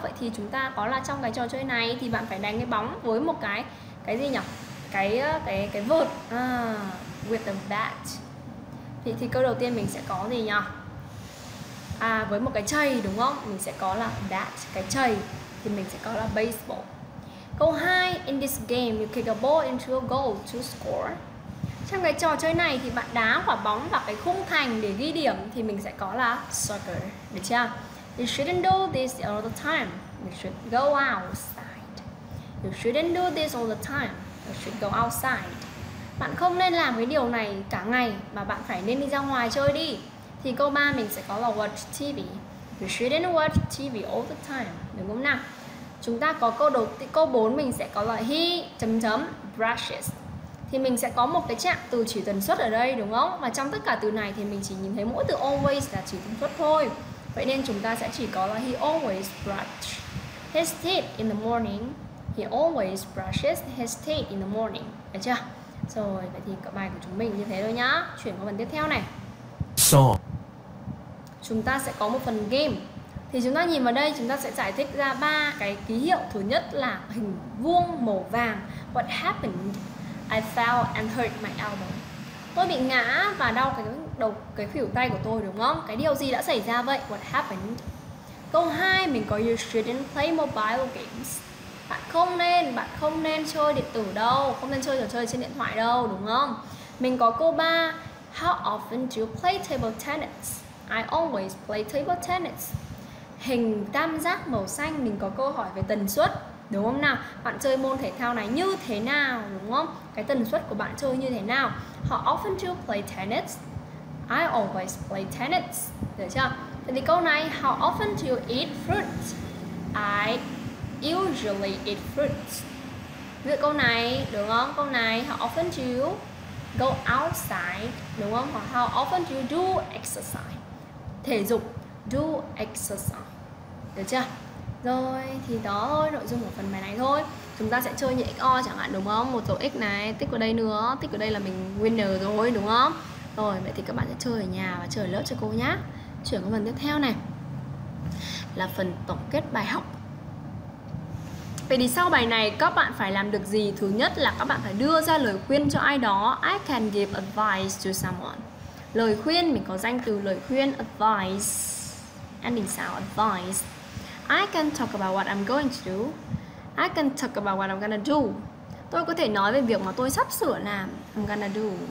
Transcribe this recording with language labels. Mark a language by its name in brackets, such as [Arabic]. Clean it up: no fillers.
[Vietnamese] Vậy thì chúng ta có là trong cái trò chơi này thì bạn phải đánh cái bóng với một cái gì nhỉ? Cái vợt [English] with a bat. [Vietnamese] Thì câu đầu tiên mình sẽ có gì nhỉ? À, với một cái chày, đúng không? Mình sẽ có là bat, cái chày. Thì mình sẽ có là baseball. [English] Câu 2, in this game you kick a ball into a goal to score. [Vietnamese] Trong cái trò chơi này thì bạn đá quả bóng vào cái khung thành để ghi điểm. Thì mình sẽ có là soccer, được chưa? [English] You shouldn't do this all the time. You should go outside. You shouldn't do this all the time. You should go outside. [Vietnamese] Bạn không nên làm cái điều này cả ngày, mà bạn phải nên đi ra ngoài chơi đi. Thì câu 3 mình sẽ có là watch TV. [English] You shouldn't watch TV all the time. [Vietnamese] Đúng không nào? Chúng ta có câu đầu tiên, câu 4 mình sẽ có là he chấm chấm brushes. Thì mình sẽ có một cái trạng từ chỉ tần suất ở đây, đúng không? Và trong tất cả từ này thì mình chỉ nhìn thấy mỗi từ always là chỉ tần suất thôi. Vậy nên chúng ta sẽ chỉ có là [English] he always brushes his teeth in the morning. He always brushes his teeth in the morning. [Vietnamese] Được chưa? Rồi, vậy thì cái bài của chúng mình như thế thôi nhá. Chuyển qua phần tiếp theo này. [English] Song. [Vietnamese] Chúng ta sẽ có một phần game. Thì chúng ta nhìn vào đây, chúng ta sẽ giải thích ra ba cái ký hiệu. Thứ nhất là hình vuông màu vàng. [English] What happened? I fell and hurt my elbow. [Vietnamese] Tôi bị ngã và đau cái khuỷu tay của tôi, đúng không? Cái điều gì đã xảy ra vậy? [English] What happened? [Vietnamese] Câu 2, mình có [English] you shouldn't play mobile games. [Vietnamese] Bạn không nên chơi điện tử đâu, không nên chơi trò chơi trên điện thoại đâu, đúng không? Mình có câu 3, [English] how often do you play table tennis? I always play table tennis. [Vietnamese] Hình tam giác màu xanh, mình có câu hỏi về tần suất, đúng không nào? Bạn chơi môn thể thao này như thế nào, đúng không? Cái tần suất của bạn chơi như thế nào? [English] How often do you play tennis? I always play tennis. [Vietnamese] Được chưa? Thì câu này, [English] how often do you eat fruit? I usually eat fruit. [Vietnamese] Được câu này, đúng không? Câu này, [English] how often do you go outside? [Vietnamese] Đúng không? [English] Hoặc how often do you do exercise? [Vietnamese] Thể dục, do exercise. Được chưa? Rồi, thì đó thôi, nội dung của phần bài này thôi. Chúng ta sẽ chơi như XO chẳng hạn, đúng không? Một dấu X này, tích ở đây nữa. Tích ở đây là mình winner rồi, đúng không? Rồi, vậy thì các bạn sẽ chơi ở nhà và chờ lớp cho cô nhé. Chuyển qua phần tiếp theo này, là phần tổng kết bài học. Vậy thì sau bài này các bạn phải làm được gì? Thứ nhất là các bạn phải đưa ra lời khuyên cho ai đó. [English] I can give advice to someone. [Vietnamese] Lời khuyên, mình có danh từ lời khuyên, advice. [English] Ending sound, advice. I can talk about what I'm going to do. I can talk about what I'm gonna do. [Vietnamese] Tôi có thể nói về việc mà tôi sắp sửa làm. [English] I'm gonna do.